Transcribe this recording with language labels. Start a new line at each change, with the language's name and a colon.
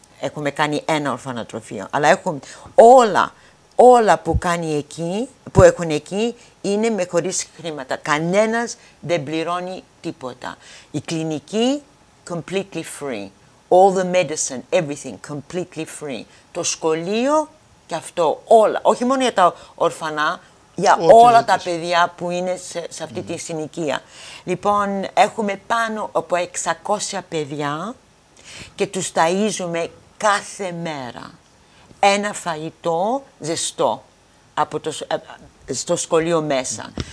Greek: Έχουμε κάνει ένα ορφανοτροφείο. Αλλά έχουμε όλα που κάνει εκεί, που έχουν εκεί, είναι με χωρίς χρήματα. Κανένας δεν πληρώνει τίποτα. Η κλινική,
English: completely free. All the medicine, everything, completely free.
Greek: Το σχολείο και αυτό, όλα. Όχι μόνο για τα ορφανά, για ό, όλα τα παιδιά που είναι σε αυτή τη συνοικία. Λοιπόν, έχουμε πάνω από 600 παιδιά και τους ταΐζουμε κάθε μέρα ένα φαγητό ζεστό από στο σχολείο μέσα.